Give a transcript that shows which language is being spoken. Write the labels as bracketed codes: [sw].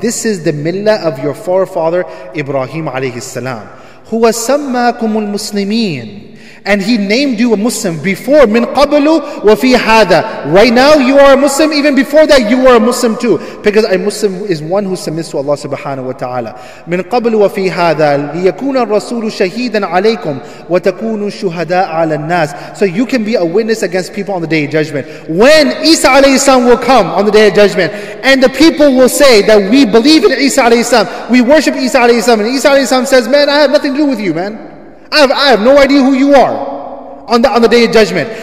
[en] This is the millah of your forefather Ibrahim alayhi salam. Who was [ar] سماكم المسلمين, [en] and he named you a Muslim before, [ar] من قبل وفي هذا. [en] Right now you are a Muslim, even before that you were a Muslim too, because a Muslim is one who submits to Allah subhanahu wa ta'ala. [ar] من قبل وفي هذا ليكون الرسول شهيدا عليكم وتكونوا شهداء على الناس. [en] So you can be a witness against people on the day of judgment. When Isa alayhi salam will come on the day of judgment, and the people will say that we believe in Isa alayhi salam, we worship Isa alayhi salam, and Isa alayhi salam says, man, I have nothing to do with you, man. I have no idea who you are on the day of judgment.